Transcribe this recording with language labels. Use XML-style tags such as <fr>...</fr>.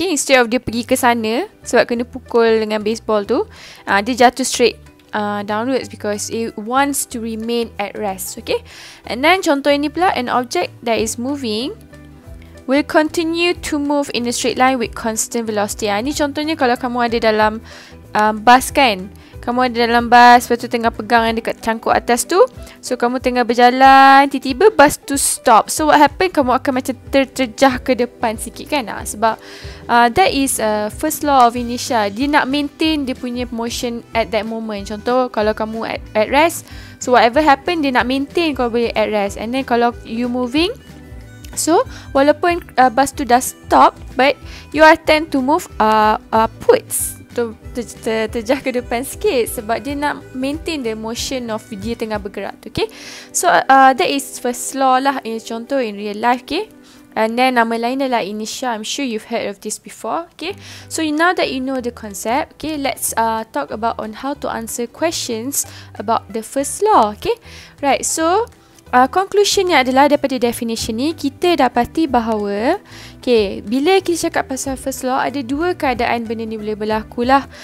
<en>Okay, instead of</en> <ms>dia pergi ke sana sebab kena pukul dengan baseball tu, dia jatuh</ms> <en>straight downwards because it wants to remain at rest. Okay, and then</en> <ms>contoh ini pula,</ms> <en>an object that is moving will continue to move in a straight line with constant velocity.</en> <ms>Ini contohnya kalau kamu ada dalam bas kan. Kamu ada dalam bas, lepas tu tengah pegang yang dekat cangkuk atas tu. So kamu tengah berjalan, tiba-tiba bas tu stop.</ms> <en>So what happen,</en> <ms>kamu akan macam terjejah ke depan sikit kan.</ms> <en>Sebab that is first law of inertia.</en> <ms>Dia nak maintain dia punya motion</ms> <en>at that moment.</en> <ms>Contoh kalau kamu at rest,</ms> <en>so whatever happen,</en> <ms>dia nak maintain kau boleh at rest.</ms> <en>And then kalau you moving, so</en> <ms>walaupun bus tu dah</ms> <en>stop, but you are tend to move upwards,</en> <ms>terjah ke depan sikit sebab dia nak</ms> <en>maintain the motion of</en> <ms>dia tengah bergerak tu.</ms> <en>Okay, so that is first law lah, contoh in real life.</en> <ms>Okay, and then nama lain adalah inertia.</ms> <en>I'm sure you've heard of this before. Okay, so now that you know the concept, okay, let's talk about on how to answer questions about the first law.</en> <ms>Okay, right, so conclusionnya adalah daripada definition ni, kita dapati bahawa, okay, bila kita cakap pasal first law, ada dua keadaan benda ni boleh berlaku lah.</ms>